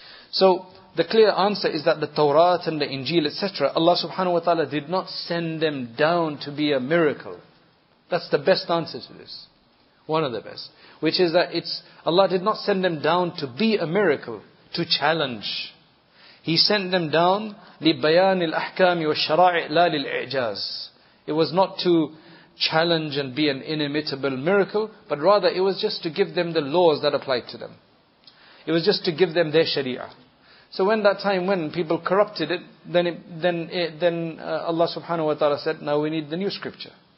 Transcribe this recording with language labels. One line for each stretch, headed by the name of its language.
English: So the clear answer is that the Torah and the Injil, etc., Allah subhanahu wa ta'ala did not send them down to be a miracle. That's the best answer to this. One of the best. Which is that Allah did not send them down to be a miracle, to challenge. He sent them down
Arabic: لِبَيَانِ الْأَحْكَامِ وَالشَّرَاعِ لَا لِلْإِعْجَازِ.
English: It was not to challenge and be an inimitable miracle, but rather it was just to give them the laws that applied to them. It was just to give them their sharia. So when that time when people corrupted it, then Allah subhanahu wa ta'ala said, now we need the new scripture.